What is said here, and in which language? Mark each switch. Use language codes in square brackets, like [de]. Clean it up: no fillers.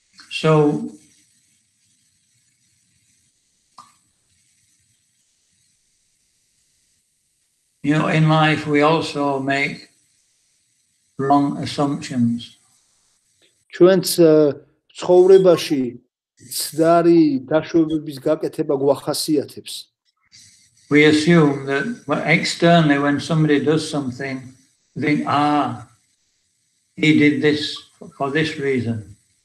[en] So you know, in life we also make wrong assumptions. [ka] ჩვენც ცხოვრებაში ცდარი დაშვებების გაკეთება გვახასიათებს. [en] We assume that externally when somebody does something, we think, he did this for this reason.